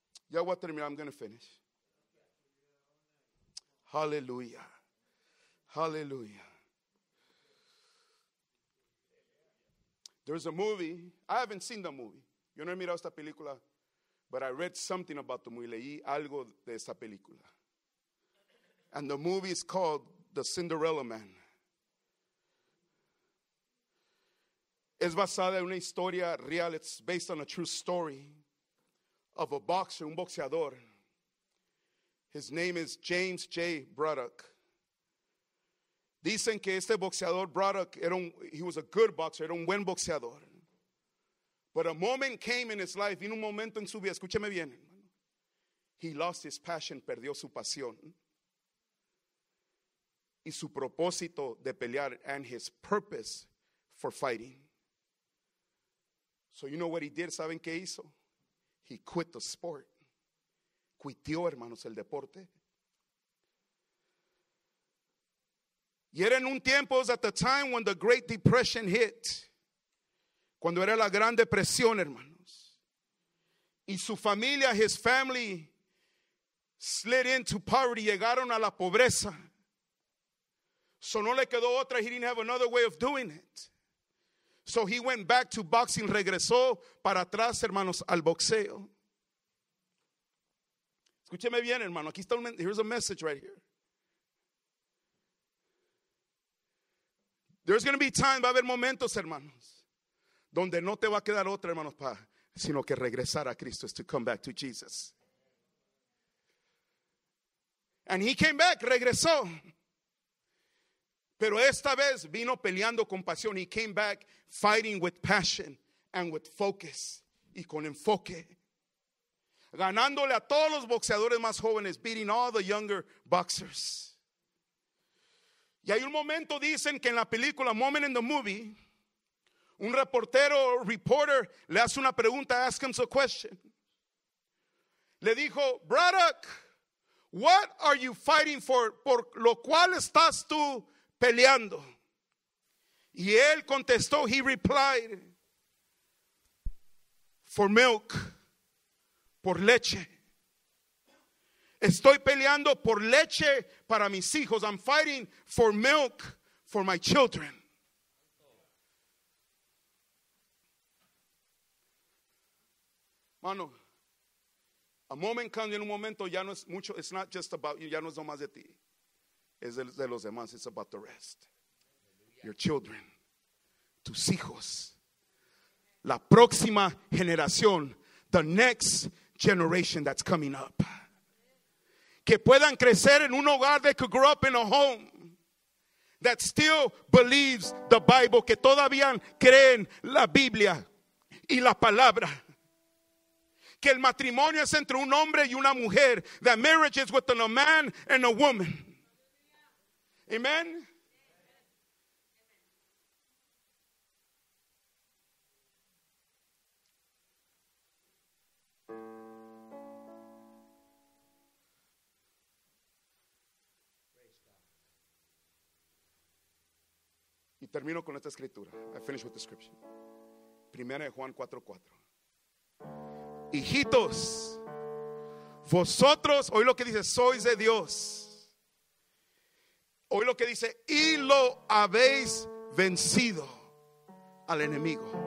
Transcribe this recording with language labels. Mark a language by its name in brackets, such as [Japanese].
[Spanish] Ya voy a terminar. [English] I'm going to finish. Hallelujah. Hallelujah. There's a movie. I haven't seen the movie. [Spanish] Yo no he mirado esta película, [English] but I read something about the movie. [Spanish] Leí algo de esta película. [English] And the movie is called The Cinderella Man. [Spanish] Es basada en una historia real. [English] It's based on a true story of a boxer, un boxeador. His name is James J. Braddock. [Spanish] Dicen que este boxeador Braddock, [English] he was a good boxer, [Spanish] era un buen boxeador. [English] But a moment came in his life, [Spanish] vino un momento en su vida, escúcheme bien. [English] He lost his passion, [Spanish] perdió su pasión. Y su propósito de pelear, [English] and his purpose for fighting. So you know what he did, [Spanish] ¿saben qué hizo? [English] He quit the sport. [Spanish] Cuitió, hermanos, el deporte. Y era en un tiempo, [English] it was at the time when the Great Depression hit. [Spanish] Cuando era la Gran Depresión, hermanos. Y su familia, [English] his family, slid into poverty. [Spanish] Llegaron a la pobreza. So no le quedó otra. [English] He didn't have another way of doing it. So he went back to boxing. [Spanish] Regresó para atrás, hermanos, al boxeo. Escúcheme bien, hermano. Aquí está un, [English] here's a message right here. There's going to be time, [Spanish] va a haber momentos, hermanos, donde no te va a quedar otra, hermanos, sino que regresar a Cristo [English] is to come back to Jesus. And he came back, [Spanish] regresó. Pero esta vez vino peleando con pasión. [English] He came back fighting with passion and with focus. [Spanish] Y con enfoque. Ganándole a todos los boxeadores más jóvenes, [English] beating all the younger boxers. [Spanish] Y hay un momento, dicen que en la película, [English] moment in the movie, [Spanish] un reportero, reporter, le hace una pregunta, [English] ask him a question. [Spanish] Le dijo, [English] Braddock, what are you fighting for? [Spanish] Por lo cual estás tú peleando. Y él contestó, [English] he replied, for milk. [Spanish] Por leche. Estoy peleando por leche para mis hijos. [English] I'm fighting for milk for my children. [Spanish] Mano, [English] a moment comes, [Spanish] en un momento ya no es mucho. [English] It's not just about you. [Spanish] Ya no es nomás de ti. Es de los demás. [English] It's about the rest. Your children. [Spanish] Tus hijos. La próxima generación. [English] The next generation that's coming up. [Spanish] Que puedan crecer en un hogar. [English] They could grow up in a home that still believes the Bible. [Spanish] Que todavía creen la Biblia y la palabra. Que el matrimonio es entre un hombre y una mujer. [English] That marriage is within a man and a woman. Amen. [Spanish] Termino con esta escritura. [English] I finish with the scripture. [Spanish] Primera de Juan 4:4. Hijitos, vosotros, oí lo que dice, sois de Dios. Oí lo que dice, y lo habéis vencido al enemigo.